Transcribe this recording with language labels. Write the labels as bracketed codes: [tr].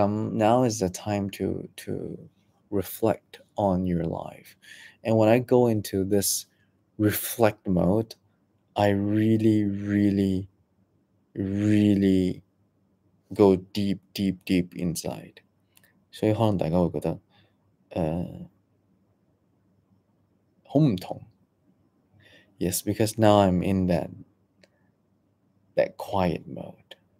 [en] 咁 now is the time to reflect on your life. And when I go into this reflect mode, I really, really, really go deep, deep, deep inside. [yue] 所以可能大家會覺得好唔同。 [en] Yes, because now I'm in that quiet mode.